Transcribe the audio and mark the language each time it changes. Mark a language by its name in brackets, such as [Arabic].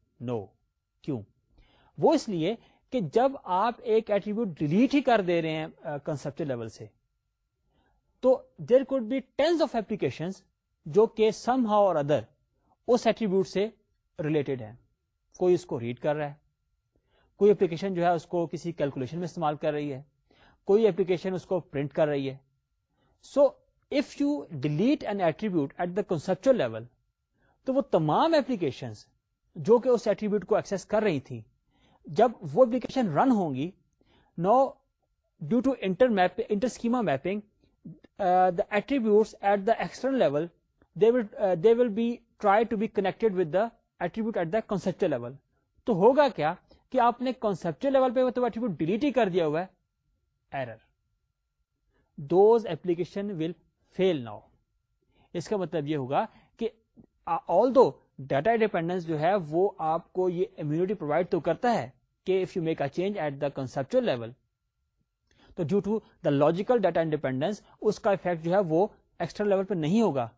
[Urdu] نو, کیوں؟ وہ اس لیے کہ جب آپ ایک ایٹریبیوٹ ڈیلیٹ ہی کر دے رہے ہیں کنسپچل لیول سے, تو [English] there could be tens of application [Urdu] جو کہ سم ہاؤ اور ادر اس ایٹریبیوٹ سے ریلیٹڈ ہیں. کوئی اس کو ریڈ کر رہا ہے, کوئی اپلیکیشن جو ہے اس کو کسی کیلکولیشن میں استعمال کر رہی ہے, کوئی اپلیکیشن اس کو پرنٹ کر رہی ہے. [English] so if you delete an attribute at the conceptual level, [Urdu] تو وہ تمام اپلیکیشن جو کہ اس ایٹریبیوٹ کو ایکسیس کر رہی تھیں, جب وہ اپلیکیشن رن ہوں گی, [English] No due to inter schema mapping the attributes at the external level they will be try to be connected with the attribute at the conceptual level. [Urdu] تو ہوگا کیا کہ آپ نے کنسپچل لیول پہ تو ایٹریبیوٹ ڈیلیٹ ہی کر دیا ہوا ہے, error, [English] Those application will fail. [Urdu] Now اس کا مطلب یہ ہوگا کہ آل دو ڈیٹا ڈیپینڈنس جو ہے وہ آپ کو یہ امیونٹی پرووائڈ تو کرتا ہے کہ [English] if you make a change at the conceptual level, [Urdu] تو due to the logical data independence اس کا افیکٹ جو ہے وہ ایکسٹرنل لیول پہ نہیں ہوگا.